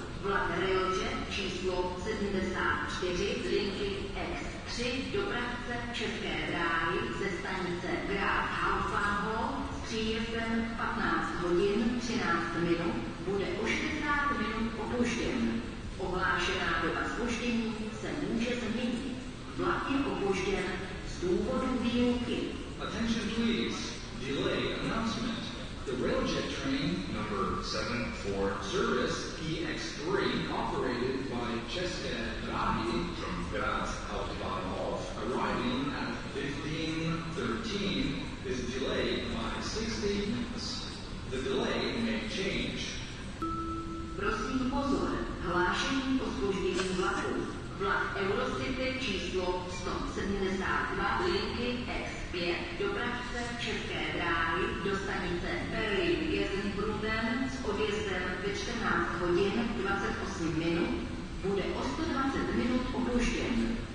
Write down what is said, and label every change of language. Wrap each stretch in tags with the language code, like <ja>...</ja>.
<cs>Vlak Railjet číslo 74 linky X3 dopravce České dráhy ze stanice Graf Hauptbahnhof s příjezdem 15:13 bude o 60 minut opožděn. Ohlášená doba zpoždění se může změnit. Vlak je opožděn z důvodu výuky.</cs> <en>Attention please. Delay announcement. The Railjet train number 74 service EX3 operated by České dráhy from Graz Hauptbahnhof arriving at 15:13 is delayed by 60 minutes. The delay may change.</en> <cs>Prosím pozor, hlášení o zpoždění vlaku. Vlak Eurocity číslo 172 linky X5 dopravce České dráhy do stanice Berlin-Gelsenbrunnen s odjezdem ve 14:28 bude o 120 minut opožděn.</cs>